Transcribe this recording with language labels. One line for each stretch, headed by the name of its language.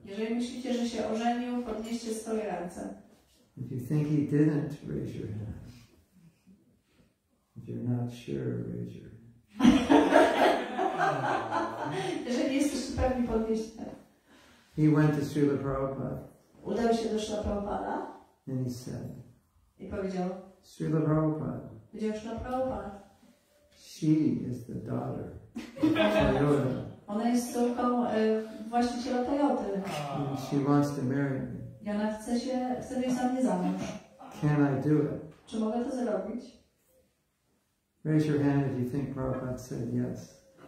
Polish: Jeżeli myślicie, że się ożenił, podnieście swoje ręce.
English: If you think he didn't, raise your hand. If you're not sure, raise your hand.
Polish: Jeżeli jesteś pewny, podnieście.
English: He went to Srila Prabhupada.
Polish: Udał się do Srila Prabhupada.
English: And he said.
Polish: I powiedział.
English: Srila Prabhupada.
Polish: Powiedział Srila Prabhupada.
English: She is the daughter of Toyota.
Polish: Ona jest córką właściciela Toyoty.
English: She wants to marry me.
Polish: I ona chce być za mnie za mąż.
English: Can I do it?
Polish: Czy mogę to zrobić?
English: Raise your hand if you think Prabhupada said yes.